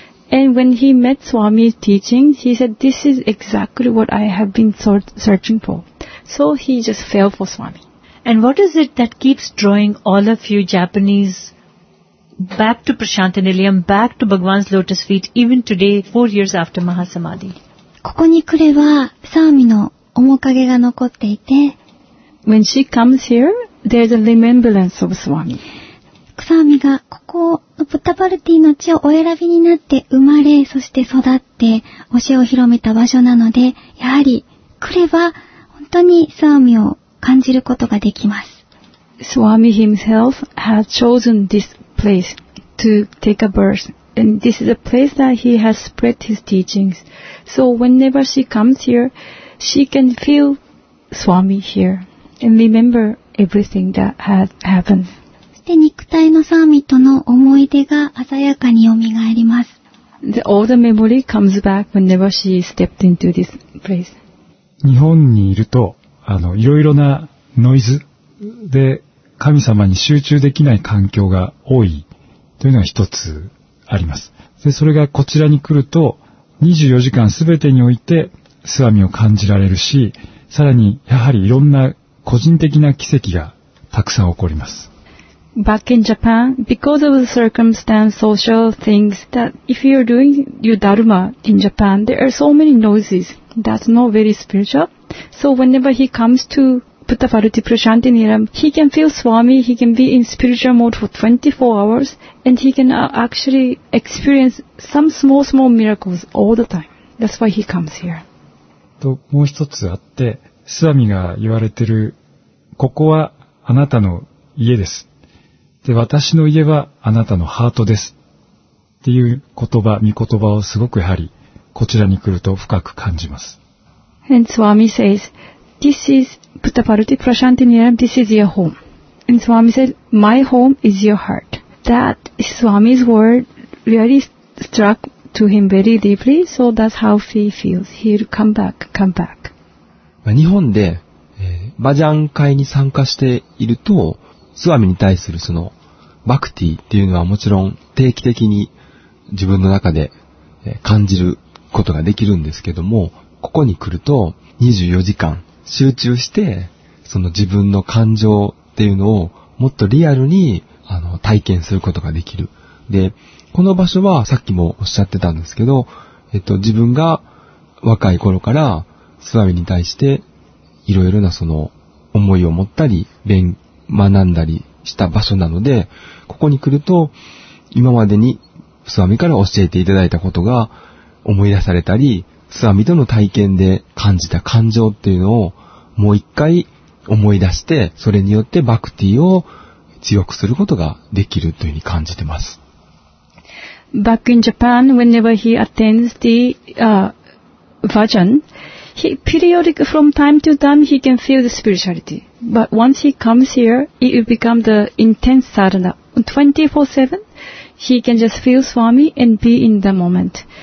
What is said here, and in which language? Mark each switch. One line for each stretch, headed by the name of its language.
English: And when he met Swami's teaching, he said, this is exactly what I have been searching for. So he just fell for Swami. And what is it that keeps drawing all of you Japanese back to Prashanta Nilayam, back to Bhagwan's lotus feet, even today, 4 years after Mahasamadhi?
Japanese: ここに来れば、サワミの面影が残っていて、
English: When she comes here, there's a remembrance of Swami.
Japanese: サワミがここのプタパルティの地をお選びになって生まれ、そして育って、教えを広めた場所なので、やはり来れば、本当にサワミを感じることができます。
English: Swami himself has chosen this place to take a birth. And this is a place that he has spread his teachings. So whenever she comes here, she can feel Swami here and remember everything that has happened.
Japanese: そして肉体のサーミとの思い出が鮮やかによみがえります。
English: The old memory comes back whenever she stepped into this place.
Japanese: 日本にいると、いろいろなノイズで神様に集中できない環境が多いというのが一つあります。で、それがこちらに来ると、24時間すべてにおいてスワミを感じられるし、さらにやはりいろんな個人的な奇跡がたくさん起こります。
English: Back in Japan, because of the circumstance, social things, that if you're doing your dharma in Japan, there are so many noises that's not very spiritual. So whenever he comes to Puttaparthi Prashantiniram, he can feel Swami, he can be in spiritual mode for 24 hours, and he can actually experience some small, small miracles all the time. That's why he comes here.
Japanese: ともう一つあって、スワミが言われてる、ここはあなたの家です。で、私の家はあなたのハートですっていう言葉、見言葉をすごくやはりこちらに来ると深く感じます。
English: And Swami says, This is Puttaparthi Prashantiniram, this is your home. And Swami said, My home is your heart. That Swami's word really struck to him very deeply, so that's how he feels. He'll come back, come back.
Japanese: 日本で、バジャン会に参加していると、スワミに対するそのバクティっていうのはもちろん定期的に自分の中で感じることができるんですけども、ここに来ると24時間集中してその自分の感情っていうのをもっとリアルに体験することができる。で、この場所はさっきもおっしゃってたんですけど、自分が若い頃からスワミに対していろいろなその思いを持ったり学んだりした場所なので、ここに来ると、今までにスワミから教えていただいたことが思い出されたり、スワミとの体験で感じた感情っていうのをもう一回思い出して、それによってバクティを強くすることができるというふうに感じてます。
English: Back in Japan, whenever he attends the, Vajan, he periodic from time to time he can feel the spirituality. But once he comes here, it will become the intense sadhana. 24-7, he can just feel Swami and be in the moment.